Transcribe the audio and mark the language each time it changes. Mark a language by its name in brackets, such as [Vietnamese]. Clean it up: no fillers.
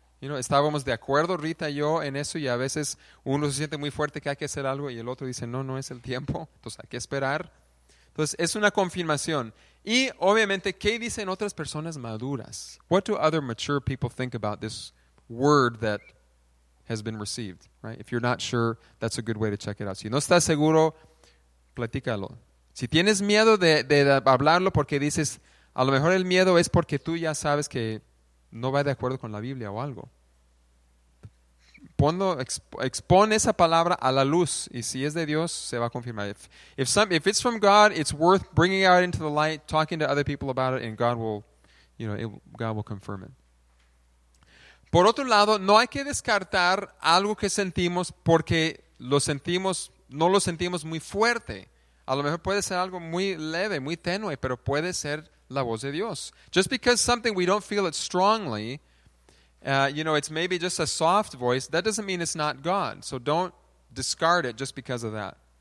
[Spanish] You know, estábamos de acuerdo, Rita y yo, en eso, y a veces uno se siente muy fuerte que hay que hacer algo y el otro dice, no, no es el tiempo, entonces hay que esperar. Entonces, es una confirmación. Y, obviamente, ¿qué dicen otras personas maduras? [English] What do other mature people think about this word that has been received? Right? If you're not sure, that's a good way to check it out. [Spanish] Si no estás seguro, platícalo. Si tienes miedo de hablarlo porque dices, a lo mejor el miedo es porque tú ya sabes que no va de acuerdo con la Biblia o algo. expone esa palabra a la luz, y si es de Dios, se va a confirmar. [English] If it's from God, it's worth bringing out into the light, talking to other people about it, and God will confirm it. [Spanish] Por otro lado, no hay que descartar algo que sentimos porque no lo sentimos muy fuerte. A lo mejor puede ser algo muy leve, muy tenue, pero puede ser la voz de Dios. [English] Just because something we don't feel it strongly, it's maybe just a soft voice, that doesn't mean it's not God. So don't discard it just because of that.